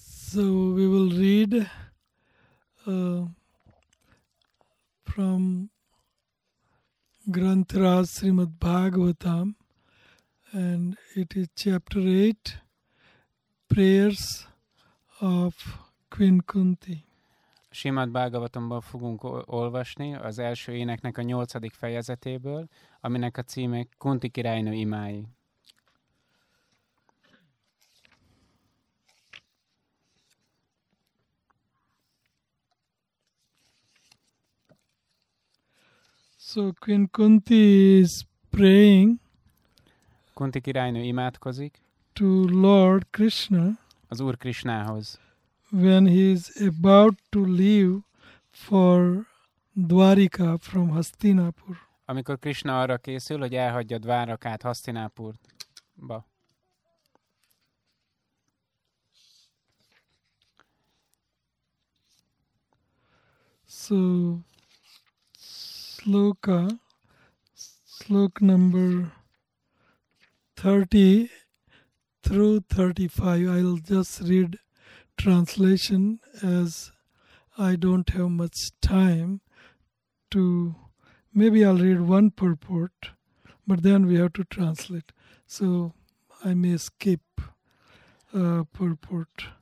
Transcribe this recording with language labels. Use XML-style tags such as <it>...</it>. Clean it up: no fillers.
<en>So we will read from ग्रंथराज Srimad Bhagavatam and it is chapter 8 prayers of Queen Kunti.</en> <hu>Simát Bhagavatamban fogunk olvasni az első éneknek a 8. fejezetéből, aminek a címe Kunti királynő imái.</hu> <en>So Queen Kunti is praying.</en> <hu>Kunti királynő imádkozik.</hu> <en>To Lord Krishna.</en> <hu>Az Úr Krishnához.</hu> <en>When he is about to leave for Dwarika from Hastinapur.</en> <hu>Amikor Krishna arra készül, hogy elhagyja Dwarakát Hastinapurba.</hu> <en>So sloka number 30 through 35, I'll just read translation as I don't have much time to, maybe I'll read one purport, but then we have to translate, so I may skip purport.</en>